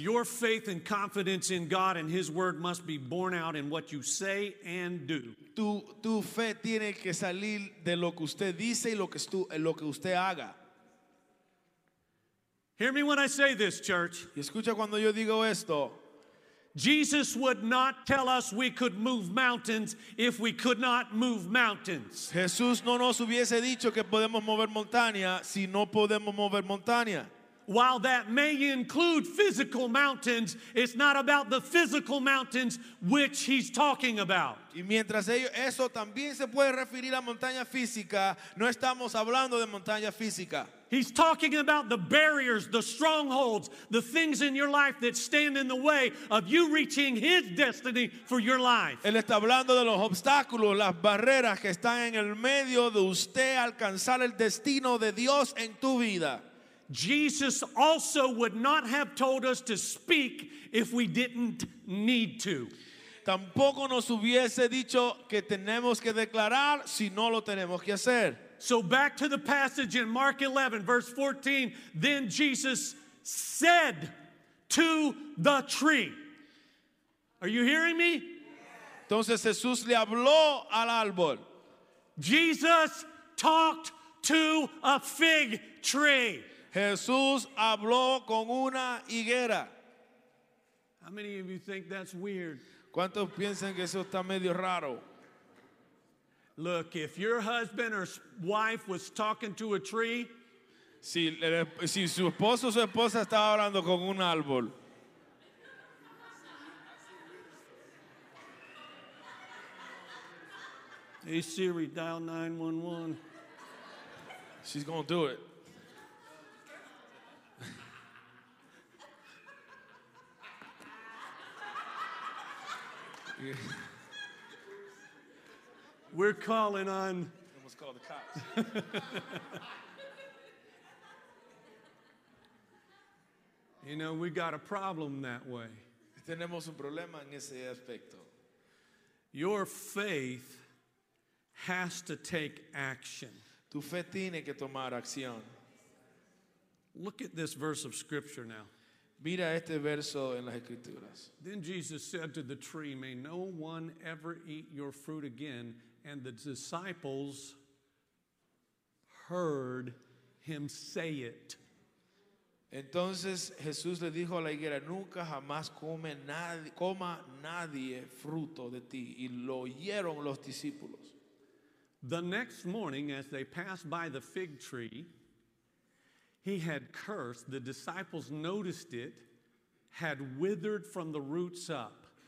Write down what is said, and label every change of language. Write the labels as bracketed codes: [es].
[en] Your faith and confidence in God and His word must be born out in what you say and do. [es] Tu fe tiene que salir de lo que usted dice y lo que usted haga. [en] Hear me when I say this, church. [es] Y escucha cuando yo digo esto. [en] Jesus would not tell us we could move mountains if we could not move mountains. [es] Jesús no nos hubiese dicho que podemos mover montaña si no podemos mover montaña. [en] While that may include physical mountains, it's not about the physical mountains which he's talking about. [es] Y mientras eso también se puede referir a montaña física, no estamos hablando de montaña física. [en] He's talking about the barriers, the strongholds, the things in your life that stand in the way of you reaching his destiny for your life. [es] Él está hablando de los obstáculos, las barreras que están en el medio de usted alcanzar el destino de Dios en tu vida. [en] Jesus also would not have told us to speak if we didn't need to. [es] Tampoco nos hubiese dicho que tenemos que declarar si no lo tenemos que hacer. [en] So back to the passage in Mark 11, verse 14. Then Jesus said to the tree. Are you hearing me? [es] Entonces Jesús le habló al árbol. [en] Jesus talked to a fig tree. [es] Jesús habló con una higuera. [en] How many of you think that's weird? [es] ¿Cuántos piensan que eso está medio raro? [en] Look, if your husband or wife was talking to a tree, [es] si su esposo o su esposa estaba hablando con un árbol, [en] hey Siri, dial 911. She's going to do it. We're calling on. Almost called the cops. You know, we got a problem that way. [es] Tenemos un problema en ese aspecto. [en] Your faith has to take action. [es] Tu fe tiene que tomar acción. [en] Look at this verse of scripture now. [es] Mira este verso en las escrituras. [en] Then Jesus said to the tree, "May no one ever eat your fruit again." And the disciples heard him say it. [es] Entonces Jesús le dijo a la higuera, "Nunca jamás coma nadie fruto de ti." Y lo oyeron los discípulos. [en] The next morning, as they passed by the fig tree, he had cursed. The disciples noticed it had withered from the roots up.